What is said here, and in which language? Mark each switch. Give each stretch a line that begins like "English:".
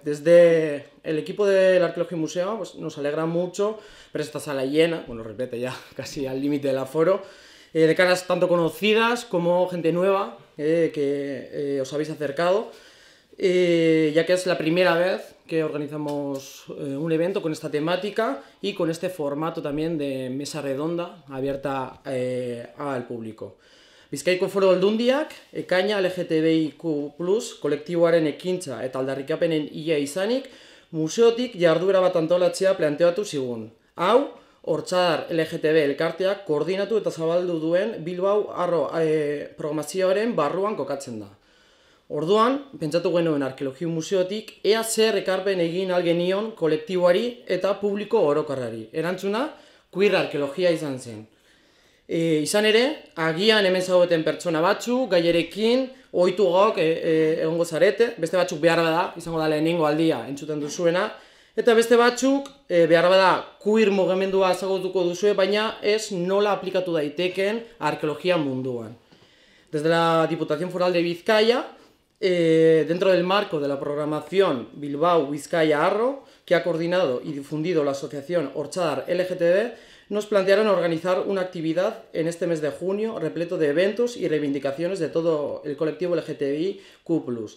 Spanish: Desde el equipo del Arqueología Museo, pues, nos alegra mucho ver esta sala llena, bueno, repete ya casi al límite del aforo, de caras tanto conocidas como gente nueva que os habéis acercado, ya que es la primera vez que organizamos un evento con esta temática y con este formato también de mesa redonda abierta al público.
Basque: Bizkaiko Foru Aldundiak, Ekaina LGTBIQ+, kolektiboaren ekintza eta aldarrikapenen ia izanik, museotik jarduera bat antolatzea planteatu zigun. Hau, Hortzadar LGTB elkarteak koordinatu eta zabaldu duen Bilbao Arro programazioaren barruan kokatzen da. Orduan, pentsatu genuen Arkeologi Museotik, ea zer ekarpen egin algenion kolektiboari eta publiko orokorrari. Erantzuna, queer arkeologia izan zen. Izan ere, agian hemen zaudeten pertsona batzu, gaierekin, ohitu gok egongo zarete, beste batzuk behar bada, izango da lehenengo aldia entzuten duzuena, eta beste batzuk behar bada queer mugimendua ezagutuko duzue, baina ez nola aplikatu daiteken arkeologia munduan.
Spanish: Desde la Diputación Foral de Bizkaia, dentro del marco de la programación Bilbao Bizkaia Arro, que ha coordinado y difundido la asociación Orchadar LGTB, nos plantearon organizar una actividad en este mes de junio repleto de eventos y reivindicaciones de todo el colectivo LGTBIQ+.